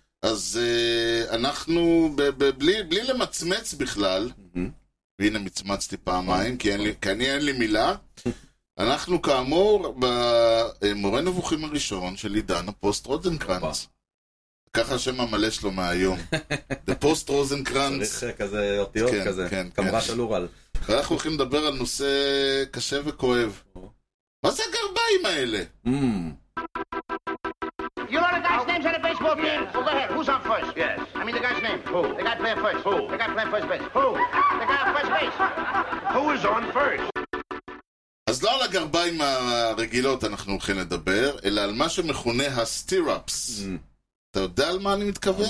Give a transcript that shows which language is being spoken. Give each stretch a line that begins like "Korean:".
Hebrew: אז אנחנו, בלי למצמץ בכלל, והנה מצמצתי פעמיים, כי אני אין לי מילה, אנחנו כאמור במורה נבוכים הראשון של עידן הפוסט רוזנקרנץ. ככה השם המלא שלו מהיום. The Post Rosenkrantz. צריך כזה אותיות כזה. כן, כן. כמרה שלור על. אנחנו הולכים לדבר על נושא קשה וכואב. מה זה הגרביים האלה?
English: You know the guy's name on the baseball team? Yes. Well, go ahead. Who's on first? Yes. I mean the guy's name. Who? The guy playing first. Who? The guy playing first base. Who? The guy on first base. Who is on first?
Hebrew: אז לא על הגרביים הרגילות אנחנו הולכים לדבר, אלא על מה שמכונה הסטיראפס. אתה יודע על מה אני מתכוון?